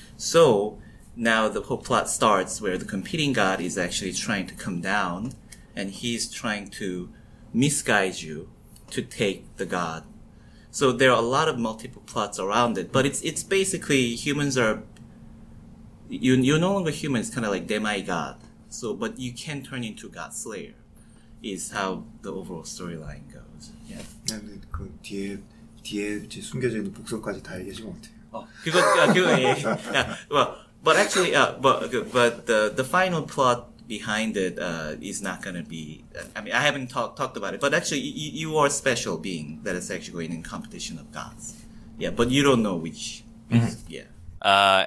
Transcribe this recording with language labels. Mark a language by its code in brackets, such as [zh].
[en] So now the whole plot starts where the competing God is actually trying to come down, and he's trying to misguide you to take the God. So there are a lot of multiple plots around it, but it's basically humans are, you're no longer human, it's kind of like demigod. So, but you can turn into God Slayer, is how the overall storyline goes. Yeah. [ko] 네, 그 뒤에 이제 숨겨져 있는 복선까지 다 얘기하신 것 같아요. 그거 예. Yeah. [en] Well, but actually, but the final plot behind it is not gonna be. I mean, I haven't talked about it. But actually, you are a special being that is actually going in competition of gods. Yeah, but you don't know which. Mm-hmm. Yeah.